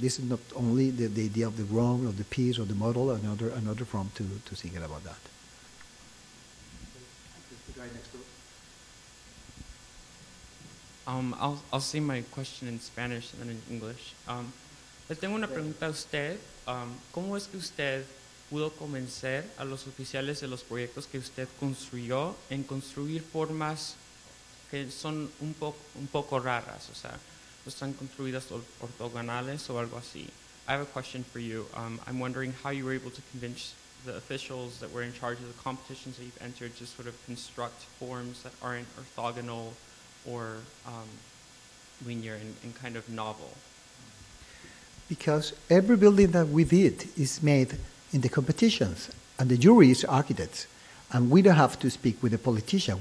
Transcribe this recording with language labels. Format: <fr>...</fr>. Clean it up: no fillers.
<en>This is not only the idea of the wrong, of the piece, or the model, another form to think about that. I'll say my question in Spanish and then in English.</en> <es>Le tengo una pregunta a usted. ¿Cómo es que usted pudo convencer a los oficiales de los proyectos que usted construyó en construir formas que son un poco raras? O sea, no están construidas ortogonales o algo así.</es> <en>I have a question for you. I'm wondering how you were able to convince the officials that were in charge of the competitions that you've entered to sort of construct forms that aren't orthogonal or linear and kind of novel? Because every building that we did is made in the competitions, and the jury is architects, and we don't have to speak with the politician.</en>